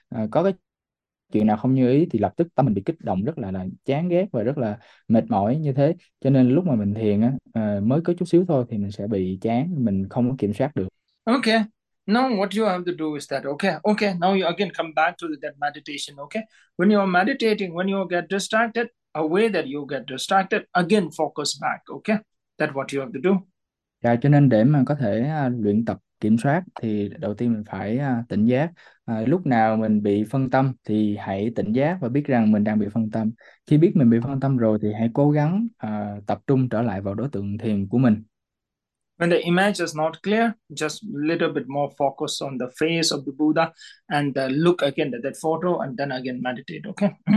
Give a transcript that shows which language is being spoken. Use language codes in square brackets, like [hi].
[vi] Có cái chuyện nào không như ý thì lập tức tâm mình bị kích động rất là chán ghét và rất là mệt mỏi như thế, cho nên lúc mà mình thiền á mới có chút xíu thôi thì mình sẽ bị chán, mình không có kiểm soát được. [en] Okay, now what you have to do is that, okay, now you again come back to that meditation, okay? When you are meditating, when you get distracted, a way that you get distracted, again focus back, okay? That's what you have to do. [vi] Dạ, cho nên để mà có thể luyện tập kiểm soát thì đầu tiên mình phải tỉnh giác. Lúc nào mình bị phân tâm thì hãy tỉnh giác và biết rằng mình đang bị phân tâm. Khi biết mình bị phân tâm rồi thì hãy cố gắng tập trung trở lại vào đối tượng thiền của mình. [en] When the image is not clear, just little bit more focus on the face of the Buddha and look again at that photo and then again meditate, okay?